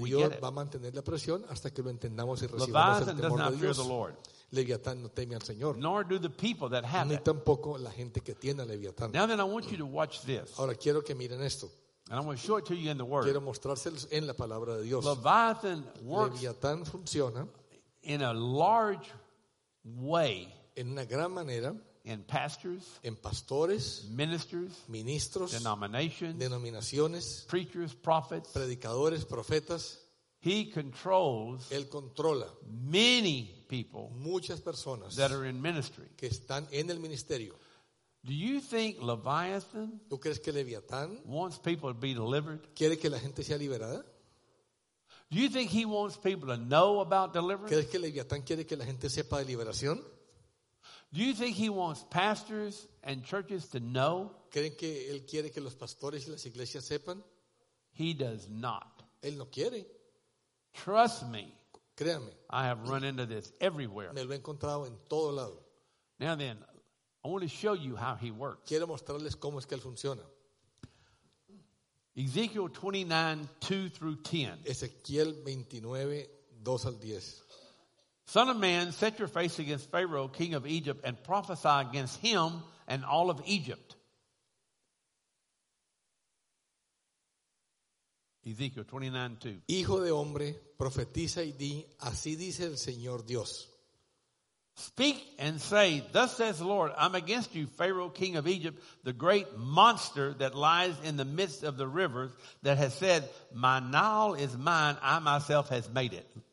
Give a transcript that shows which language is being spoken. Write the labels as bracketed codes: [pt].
[es] y Dios va a mantener la presión hasta que lo entendamos y recibamos [en] Leviathan [es] el temor [en] does not [es] de Dios. [en] Fear the Lord. [es] Leviatán no teme al Señor. [en] Nor do the people that have [es] ni tampoco la gente que tiene a Leviatán. [en] Now then I want you to watch this. [es] Ahora quiero que miren esto. [en] And I'm going to show it to you in the Word. [es] Quiero mostrárselos en la palabra de Dios. [en] Leviathan works [es] Leviatán funciona [en] in a large way [es] en una gran manera [en] in pastors, [es] en pastores, [en] ministers, [es] ministros, [en] denominations, [es] denominaciones, [en] preachers, prophets, [es] predicadores, profetas. [en] He controls [es] él controla [en] many people [es] muchas personas [en] that are in ministry. [es] Que están en el ministerio. [en] Do you think Leviathan [es] ¿Tú crees que Leviatán [en] wants people to be delivered? [es] ¿Quiere que la gente sea liberada? [en] Do you think he wants people to know about deliverance? [es] ¿Crees que Leviatán quiere que la gente sepa de liberación? [en] Do you think he wants pastors and churches to know? [es] ¿Creen que él quiere que los pastores y las iglesias sepan? [en] He does not. [es] Él no quiere. [en] Trust me. [es] Créame. [en] I have run into this everywhere. [es] Me lo he encontrado en todo lado. [en] Now then, I want to show you how he works. [es] Quiero mostrarles cómo es que él funciona. [en] Ezekiel 29, 2 through 10. [es] Ezequiel 29, 2 al 10. [en] Son of man, set your face against Pharaoh, king of Egypt, and prophesy against him and all of Egypt. Ezekiel 29, 2. [es] Hijo de hombre, profetiza y di, así dice el Señor Dios. [en] Speak and say, thus says the Lord, I'm against you, Pharaoh, king of Egypt, the great monster that lies in the midst of the rivers that has said, my Nile is mine, I myself has made it.